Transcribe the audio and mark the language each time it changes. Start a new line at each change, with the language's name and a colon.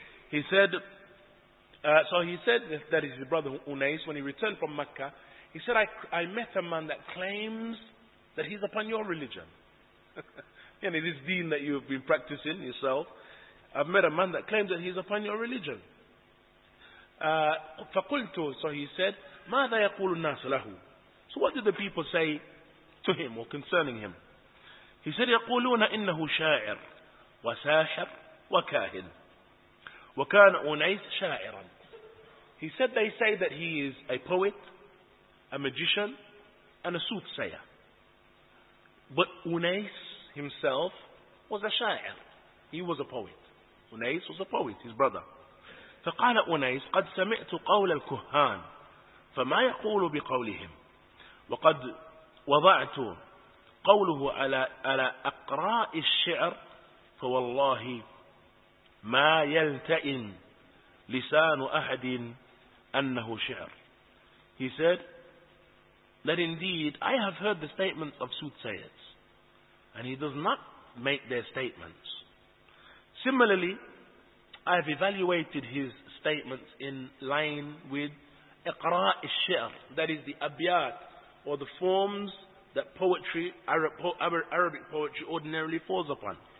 English: He said, that is his brother Unais, when he returned from Mecca, he said, I met a man that claims that he's upon your religion. this deen that you've been practicing yourself, I've met a man that claims that he's upon your religion.
Arabic: فَقُلْتُ,
English: so he said,
Arabic: مَاذَا يَقُولُ النَّاسُ لَهُ.
English: So what did the people say to him or concerning him? He said,
Arabic: يَقُولُونَ إِنَّهُ شَاعِرٌ وَسَاحِرٌ وَكَاهِنٌ وَكَانَ أُنَيْسَ شَاعِرًا.
English: He said, they say that he is a poet, a magician, and a soothsayer. But Unais himself was a shair. He was a poet. Unais was a poet, his brother.
Arabic: فقال أنيس قد سمعت قول الكهان فما يقول بقولهم وقد وضعت قوله على أقراء الشعر فوالله ما يلتئن لسان أحد أنه شعر.
English: He said that indeed I have heard the statements of soothsayers, and he does not make their statements. Similarly, I have evaluated his statements in line with iqra' al-shi'r, that is the abiyat, or the forms that poetry, Arabic poetry, ordinarily falls upon.